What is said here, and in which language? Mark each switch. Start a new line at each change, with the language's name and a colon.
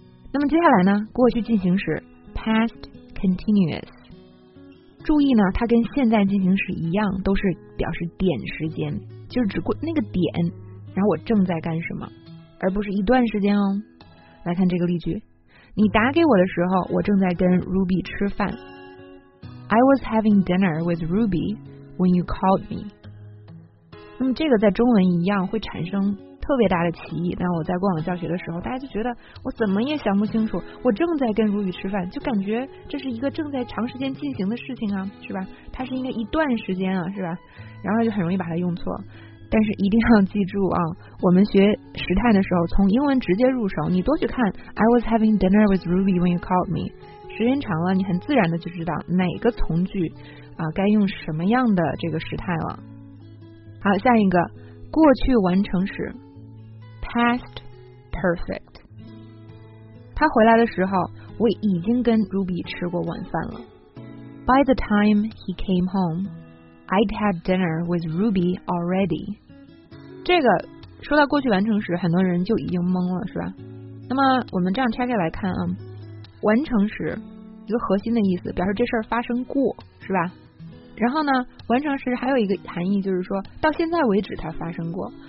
Chinese: 那么接下来呢，过去进行时 past continuous， 注意呢，它跟现在进行时一样，都是表示点时间，就是指过那个点，然后我正在干什么，而不是一段时间哦。来看这个例句，你打给我的时候，我正在跟 Ruby 吃饭。
English: I was having dinner with Ruby when you called me。
Chinese: 那么这个在中文一样会产生特别大的歧义，那我在过往教学的时候，大家就觉得我怎么也想不清楚，我正在跟 Ruby 吃饭，就感觉这是一个正在长时间进行的事情啊，是吧，它是应该一段时间啊，是吧，然后就很容易把它用错。但是一定要记住啊，我们学时态的时候从英文直接入手，你多去看
English: I was having dinner with Ruby when you called me，
Chinese: 时间长了你很自然的就知道哪个从句啊该用什么样的这个时态了。好，下一个过去完成时 past perfect， 他回来的时候我已经跟 Ruby 吃过晚饭了。
English: By the time he came homeI'd had dinner with Ruby already。
Chinese: 这个说到过去完成时，很多人就已经懵了，是吧。那么我们这样拆开来看啊，完成时一个核心的意思表示这事儿发生过，是吧。然后呢，完成时还有一个含义，就是说到现在为止它发生过。